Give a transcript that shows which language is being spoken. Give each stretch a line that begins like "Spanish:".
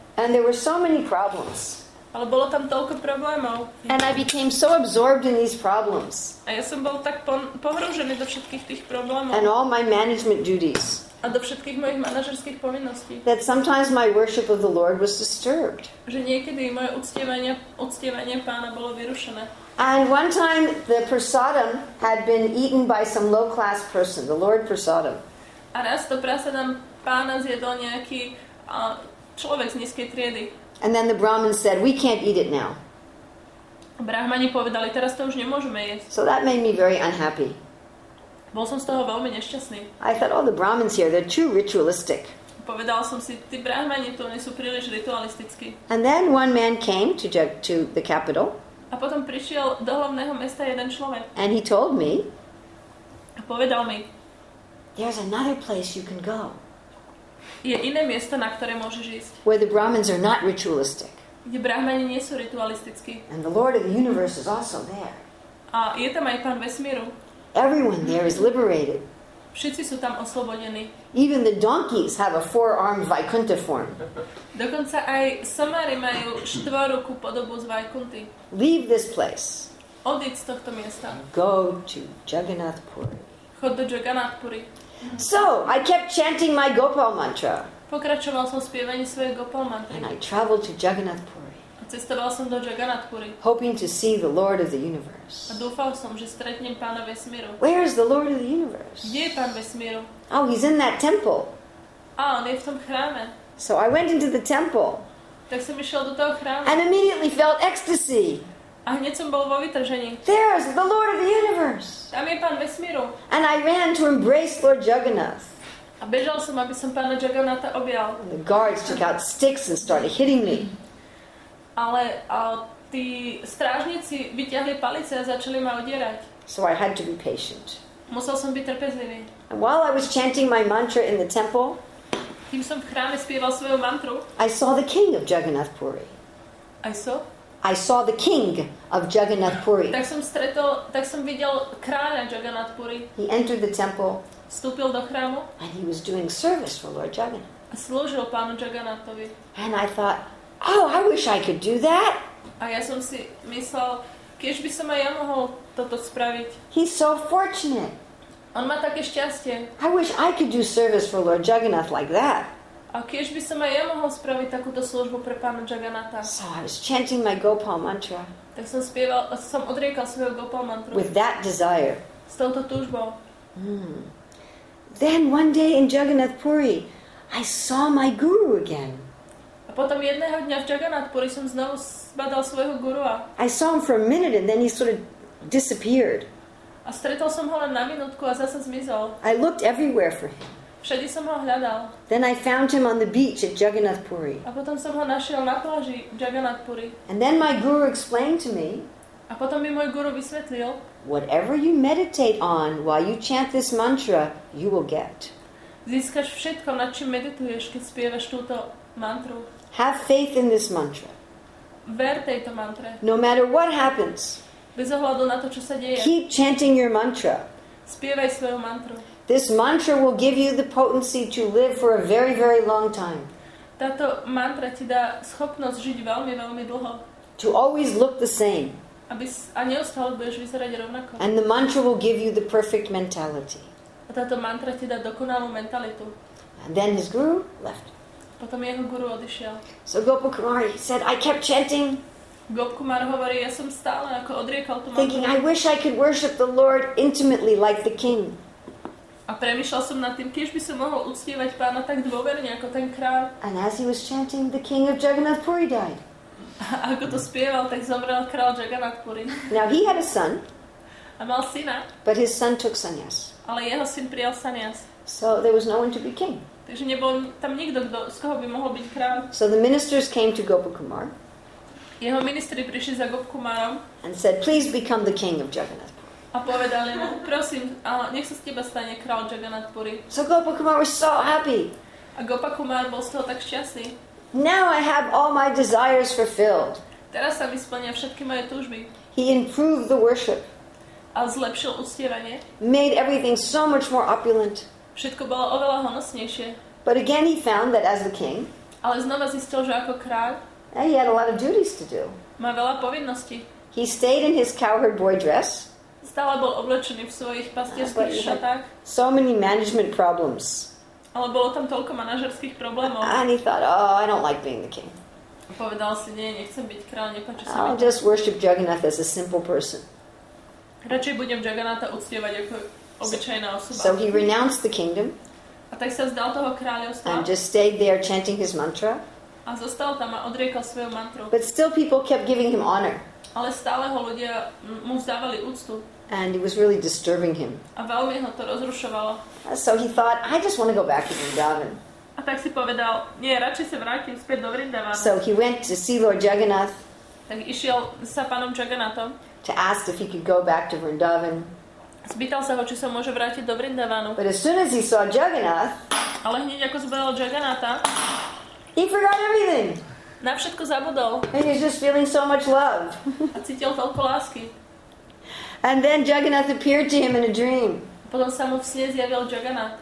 English: And there were so many problems.
Slovak: Ale bolo tam toľko problémov.
English: And I became so absorbed in these problems.
Slovak: A ja som bol tak pohrúžený do všetkých tých problémov.
English: And all my management duties.
Slovak: A do všetkých mojich manažerských povinností.
English: That sometimes my worship of the Lord was disturbed.
Slovak: Že niekedy moje uctievanie Pána bolo vyrušené.
English: And one time the prasadam had been eaten by some low class person, the Lord prasadam.
Slovak: A raz to prasadam Pána zjedol nejaký človek z nízkej triedy.
English: And then the Brahmin said, we can't eat it now.
Slovak: Brahmani povedali, teraz to už nemôžeme jesť.
English: So that made me very unhappy.
Slovak: Bol som z toho veľmi nešťastný.
English: I thought, oh, the Brahmins here, they're too ritualistic.
Slovak: Povedal som si, tí Brahmani to nie sú príliš ritualistickí.
English: And then one man came to the capital.
Slovak: A potom prišiel do hlavného mesta jeden človek.
English: And he told me.
Slovak: A povedal mi.
English: There's another place you can go.
Slovak: Je iné miesto, na ktoré môžeš ísť.
English: Where the Brahmins are not ritualistic.
Slovak: Kde Brahmani nie sú ritualistickí.
English: And the Lord of the universe is also there.
Slovak: A je tam aj Pán vesmíru.
English: Everyone there is liberated.
Slovak: Všetci sú tam oslobodení.
English: Even the donkeys have a four-armed Vaikuntha form.
Slovak: Dokonca aj somári majú štvorukú podobu z Vaikunty.
English: Leave this place.
Slovak: Odíď z tohto miesta.
English: Go to Jagannath Puri.
Slovak: Chod do Jagannath Puri.
English: So, I kept chanting my Gopal mantra.
Slovak: Pokračoval som spievaním svojej Gopal mantry.
English: And I traveled to Jagannath Puri.
Slovak: Cestoval som do Jagannath Puri.
English: Hoping to see the Lord of the universe.
Slovak: A dúfal som, že stretnem Pána vesmíru.
English: Where is the Lord of the universe?
Slovak: Kde je Pán vesmíru?
English: Oh, he's in that temple.
Slovak: A on je v tom chráme.
English: So I went into the temple.
Slovak: Tak som išiel do toho chrámu.
English: And immediately felt ecstasy.
Slovak: A hneď som bol vo vytržení.
English: There is the Lord of the universe.
Slovak: Tam je Pán vesmíru.
English: And I ran to embrace Lord Jagannath.
Slovak: A bežal som, aby som Pána Jagannatha objal.
English: The guards took out sticks and started hitting me.
Slovak: Ale tí strážnici vyťahli palice a začali ma odierať.
English: So I had to be patient.
Slovak: Musel som byť trpezlivý.
English: And while I was chanting my mantra in the temple,
Slovak: kým som v chráme spieval svoju mantru,
English: I saw the king of Jagannath Puri. I saw the king of Jagannath Puri.
Slovak: Tak som videl kráľa Jagannath Puri.
English: He entered the temple.
Slovak: Vstúpil do chrámu.
English: And he was doing service for Lord Jagannath.
Slovak: A slúžil Pánu Jagannathovi.
English: And I thought, oh, I wish I could do that.
Slovak: A ja som si myslel, kiež by som aj ja mohol toto spraviť.
English: He's so fortunate.
Slovak: On má také šťastie.
English: I wish I could do service for Lord Jagannath like that.
Slovak: A kiež by som aj ja mohol spraviť takúto službu pre Pána Jagannatha.
English: So I was chanting my Gopal mantra.
Slovak: Tak som spieval, som odriekal svoju Gopal mantru.
English: With that desire.
Slovak: S touto túžbou.
English: Then one day in Jagannath Puri, I saw my guru again.
Slovak: A potom jedného dňa v Jagannath Puri som znovu zbadal svojho gurua.
English: I saw him for a minute and then he sort of disappeared.
Slovak: A stretol som ho len na minútku a zase zmizol.
English: I looked everywhere for him.
Slovak: Všade som ho hľadal.
English: Then I found him on the beach at Jagannath Puri.
Slovak: A potom som ho našiel na pláži v Jagannath Puri.
English: And then my guru explained to me.
Slovak: A potom mi môj guru vysvetlil.
English: Whatever you meditate on while you chant this mantra, you will get.
Slovak: Získaš všetko, nad čím medituješ, keď spievaš túto mantru.
English: Have faith in this mantra.
Slovak: Ver tejto mantre.
English: No matter what happens.
Slovak: Bez ohľadu na to, čo sa deje.
English: Keep chanting your mantra.
Slovak: Spievaj svoju mantru.
English: This mantra will give you the potency to live for a very, very long time.
Slovak: Táto mantra ti dá schopnosť žiť veľmi, veľmi dlho.
English: To always look the same.
Slovak: A neustále budeš vyzerať rovnako.
English: And the mantra will give you the perfect mentality.
Slovak: A táto mantra ti dá dokonalú mentalitu.
English: And then his guru left.
Slovak: Potom jeho guru odišiel.
English: So Gopakumara said, I kept chanting.
Slovak: Gopakumara hovorí, ja som stále ako odriekal tú mantru.
English: Thinking, I wish I could worship the Lord intimately like the king.
Slovak: A premýšľal som nad tým, kiež by som mohol uctievať Pána tak dôverne ako ten kráľ.
English: And as he was chanting, the king of Jagannath Puri died.
Slovak: Ako to spieval, tak zomrel král Jagannath Puri.
English: Now he had a son.
Slovak: A mal syna.
English: But his son took sannyas.
Slovak: Ale jeho syn prijal sannyas.
English: So there was no one to be king.
Slovak: Takže nebol tam nikto, kto, z koho by mohol byť král.
English: So the ministers came to Gopakumar.
Slovak: Jeho ministri prišli za Gopakumarom.
English: And said, please become the king of Jagannath.
Slovak: A povedali mu, prosím, nech sa z teba stane král Jagannath Puri.
English: So Gopakumar was so happy.
Slovak: A Gopakumar bol z toho tak šťastný.
English: Now I have all my desires fulfilled.
Slovak: Teraz sa mi splnia všetky moje túžby.
English: He improved the worship.
Slovak: A zlepšil uctievanie.
English: Made everything so much more opulent.
Slovak: Všetko bolo oveľa honosnejšie.
English: But again he found that as the king.
Slovak: Ale znova zistil, že ako kráľ.
English: He had a lot of duties to do.
Slovak: Má veľa povinností.
English: He stayed in his cowherd boy dress.
Slovak: Stále bol oblečený v svojich pastierských šatách.
English: So many management problems.
Slovak: Ale bolo tam toľko manažerských problémov.
English: And he thought, oh, I don't like being the king.
Slovak: A povedal si, nie, nechcem byť kráľ, nepáči sa mi.
English: I'll just worship Jagannath as a simple person.
Slovak: Radšej budem Jagannatha uctievať ako obyčajná osoba.
English: So he renounced the kingdom.
Slovak: A tak sa vzdal toho kráľovstva.
English: And just stayed there chanting his mantra.
Slovak: A zostal tam a odriekal svoju mantru.
English: But still people kept giving him honor.
Slovak: Ale stále ho ľudia mu vzdávali úctu.
English: And it was really disturbing him.
Slovak: A veľmi ho to rozrušovalo.
English: So he thought, I just want to go back to Vrindavan.
Slovak: A tak si povedal, nie, radšej sa vrátim späť do Vrindavan.
English: So he went to see Lord Jagannath.
Slovak: Tak išiel sa pánom Jagannathom.
English: To ask if he could go back to Vrindavan.
Slovak: Spýtal sa ho, či sa môže vrátiť do Vrindavanu.
English: But as soon as he saw Jagannath,
Slovak: ale hneď ako zbadal Jagannatha,
English: he forgot everything.
Slovak: Na všetko zabudol.
English: And he's just feeling so much love.
Slovak: A cítil toľko lásky.
English: And then Jagannath appeared to him in a dream.
Slovak: Potom sa mu v sne zjavil Jagannath.